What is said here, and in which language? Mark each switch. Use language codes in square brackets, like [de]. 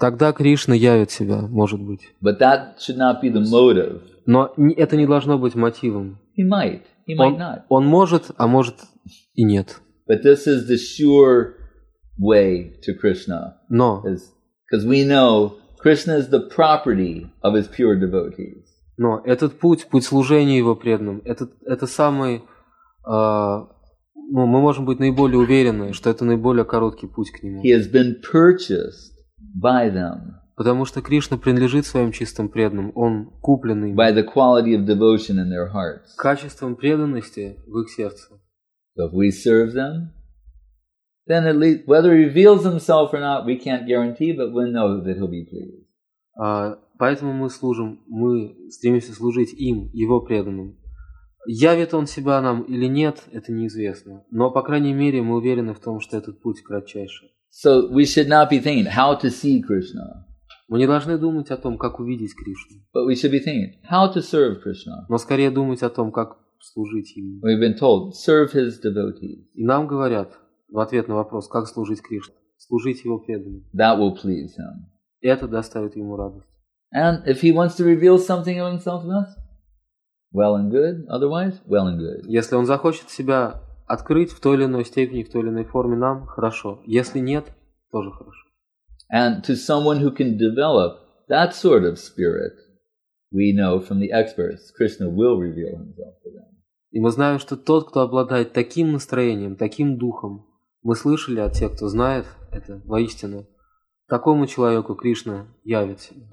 [ru] Тогда Кришна явит себя, может быть. [en] But that should not be the motive. [ru] Но это не должно быть мотивом. [en] He might. He might not. [ru] Он может, а может и нет. [en] But this is the sure way to Krishna. No. Because we know Krishna is the property of his pure devotees. [ru] No, этот путь, путь служения его преданным, это самый, мы можем быть наиболее уверены, что это наиболее короткий путь к нему. [en] He has been purchased by them. [ru] Потому что Кришна принадлежит своим чистым преданным, он куплен им. [en] By the quality of devotion in their hearts. [ru] Качеством преданности в их сердце. [en] So if we serve them, then at least, whether he reveals himself or not, we can't guarantee, but we know that he'll be pleased. [ru] Поэтому мы служим, мы стремимся служить им, его преданным. Явит он себя нам или нет, это неизвестно. Но, по крайней мере, мы уверены в том, что этот путь кратчайший. [en] So we should not be thinking how to see Krishna. [ru] Мы не должны думать о том, как увидеть Кришну. [en] But we should be thinking how to serve Krishna. [ru] Но скорее думать о том, как служить ему. [en] We've been told, serve his devotees. [ru] И нам говорят, в ответ на вопрос, как служить Кришне, служить его преданным. [en] That will please him. [ru] Это доставит ему радость. [en] And if he wants to reveal something of himself to us, well and good. Otherwise, well and good. [ru] Если он захочет себя открыть в той или иной степени, в той или иной форме нам, хорошо. Если нет, тоже хорошо. [en] And to someone who can develop that sort of spirit, we know from the experts, Krishna will reveal himself to them. [ru] И мы знаем, что тот, кто обладает таким настроением, таким духом, мы слышали от тех, кто знает это воистину, такому человеку Кришна явится.